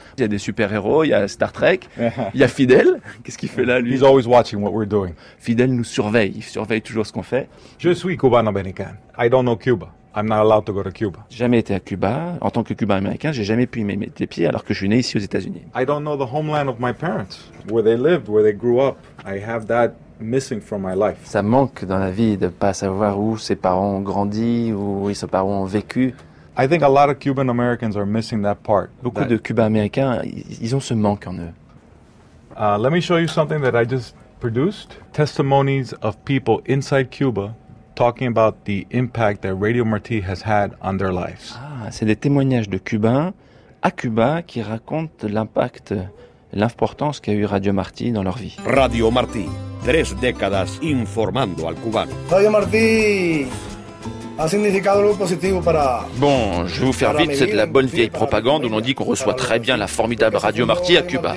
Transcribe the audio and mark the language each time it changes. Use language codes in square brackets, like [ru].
[fr] Il y a des super-héros, il y a Star Trek, il y a Fidel. Qu'est-ce qu'il fait là, lui? [en] He's always watching what we're doing. [fr] Fidel nous surveille, il surveille toujours ce qu'on fait. Je suis cubano-américain. [en] I don't know Cuba. I'm not allowed to go to Cuba. [fr] J'ai jamais été à Cuba. En tant que cubain-américain, j'ai jamais pu y mettre les pieds alors que je suis né ici aux États-Unis. [en] I don't know the homeland of my parents, where they lived, where they grew up. I have that missing from my life. [fr] Ça manque dans la vie de ne pas savoir où ses parents ont grandi, où ses parents ont vécu. [en] I think a lot of Cuban Americans are missing that part. [fr] Beaucoup de Cubains-Américains, ils ont ce manque en eux. [en] Let me show you something that I just produced. Testimonies of people inside Cuba talking about the impact that Radio Martí has had on their lives. [fr] Ah, c'est des témoignages de Cubains à Cuba qui racontent l'impact, l'importance qu'a eu Radio Martí dans leur vie. [es] Radio Martí, 3 décadas informando al cubano. Radio Martí a significado algo positivo para... [fr] Bon, je vais vous faire vite, c'est de la bonne vieille propagande où l'on dit qu'on reçoit très bien la formidable Radio Martí à Cuba.